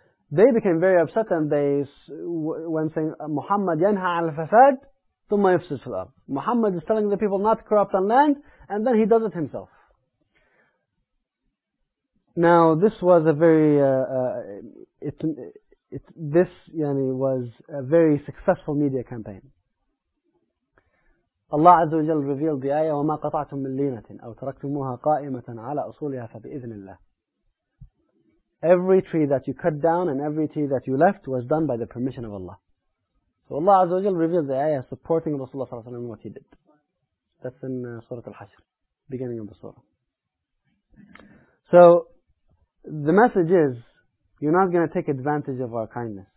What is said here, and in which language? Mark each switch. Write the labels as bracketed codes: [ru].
[en] they became very upset and they went saying, [ar] Muhammad yanha al fasad, thumma yafsid fil ard. [en] Muhammad is telling the people not to corrupt on land, and then he does it himself. Now, this was a very, this was a very successful media campaign. [ar] Allah Azza wa Jalla [en] revealed the ayah, [ar] وَمَا قَطَعْتُم مِّن لِّينَةٍ أَوْ تَرَكْتُمُوهَا قَائِمَةً عَلَىٰ أُصُولِهَا فَبِإِذْنِ اللَّهِ. [en] Every tree that you cut down and every tree that you left was done by the permission of Allah. So Allah Azza wa Jalla revealed the ayah supporting Rasulullah Sallallahu Alaihi Wasallam what he did. That's in Surah Al-Hashr, beginning of the Surah. So the message is, you're not going to take advantage of our kindness.